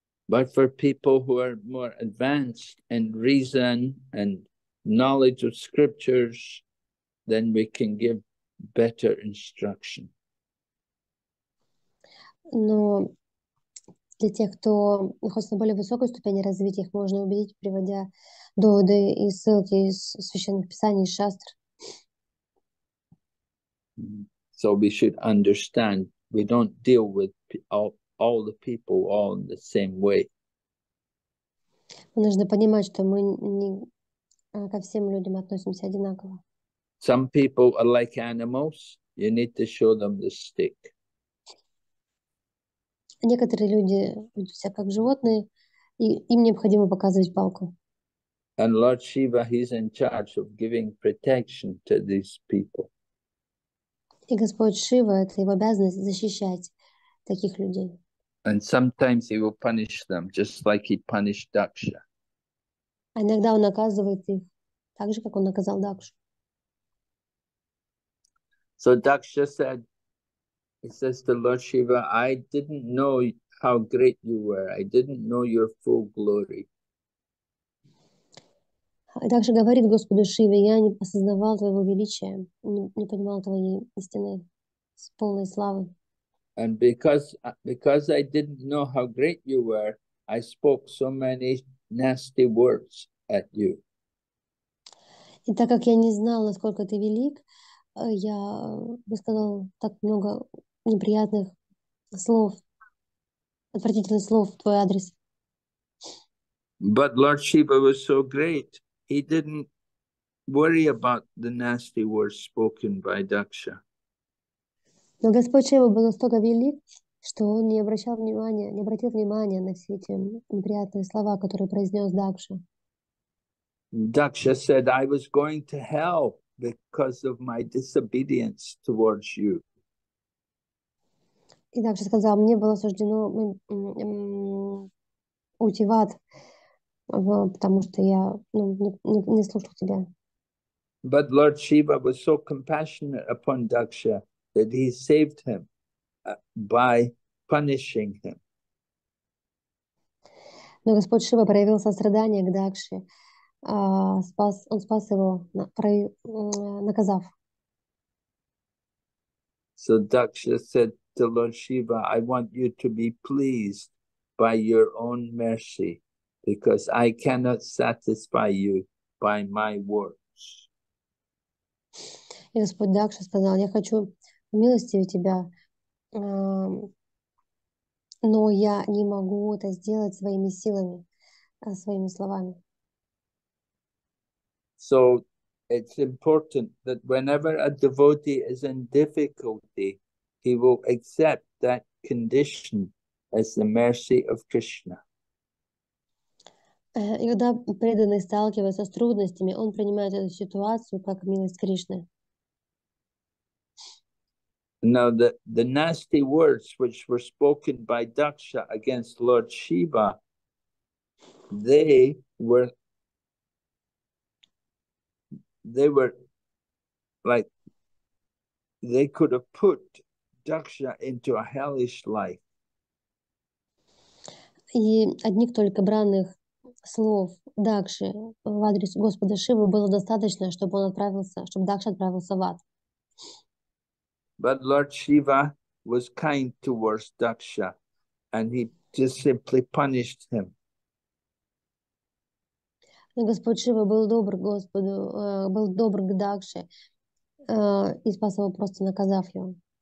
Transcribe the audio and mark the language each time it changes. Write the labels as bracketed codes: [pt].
[en] But for people who are more advanced in reason and knowledge of scriptures, then we can give better instruction. [ru] Но для тех, кто находится на более высокой ступени развития, их можно убедить, приводя доводы и ссылки из священных писаний и шастр. [en] So we should understand, we don't deal with all the people all in the same way. [ru] Мы должны понимать, что мы не ко всем людям относимся одинаково. [en] Some people are like animals, you need to show them the stick. [ru] Некоторые люди ведут себя как животные, и им необходимо показывать палку. [en] And Lord Shiva, he's in charge of giving protection to these people. [ru] И Господь Шива, это его обязанность защищать таких людей. [en] And sometimes he will punish them, just like he punished Daksha. [ru] А иногда он наказывает их, так же, как он наказал Дакшу. [en] So Daksha said, he says to Lord Shiva, I didn't know how great you were. I didn't know your full glory. [ru] Также говорит Господу Шиве: я не осознавал твоего величия, не понимал твоей истины, полной славы. [en] And because I didn't know how great you were, I spoke so many nasty words at you. [ru] И так как я не знал, насколько ты велик, я бы сказал так много неприятных слов, отвратительных слов в твой адрес. [en] But Lord Shiva was so great, he didn't worry about the nasty words spoken by Daksha. [ru] Но Господь Шива был настолько велик, что он не обращал внимания, не обратил внимания на все эти неприятные слова, которые произнес Дакша. [en] Daksha said, I was going to hell because of my disobedience towards you. [ru] И Дакша сказал, мне было суждено уйти в ад, потому что я не слушал тебя. [en] But Lord Shiva was so compassionate upon Daksha that he saved him by punishing him. [ru] Но Господь Шива проявил сострадание к Дакше, он спас его, наказав. [en] So Daksha said to Lord Shiva, I want you to be pleased by your own mercy, because I cannot satisfy you by my works. [ru] И Господь Дакша сказал, я хочу милости у тебя, но я не могу это сделать своими силами, своими словами. [en] So it's important that whenever a devotee is in difficulty, he will accept that condition as the mercy of Krishna. [ru] И когда преданный сталкивается с трудностями, он принимает эту ситуацию как милость Кришны. [en] Now the nasty words which were spoken by Daksha against Lord Shiva, they were like they could have put Daksha into a hellish life. [ru] И одних только бранных слов Дакши в адрес Господа Шивы было достаточно, чтобы он отправился, чтобы Дакша отправился в ад. [en] But Lord Shiva was kind towards Daksha, and he just simply punished him. [ru] Но Господь Шива был добр к Господу, был добр к Дакше, и спас его, просто наказав его.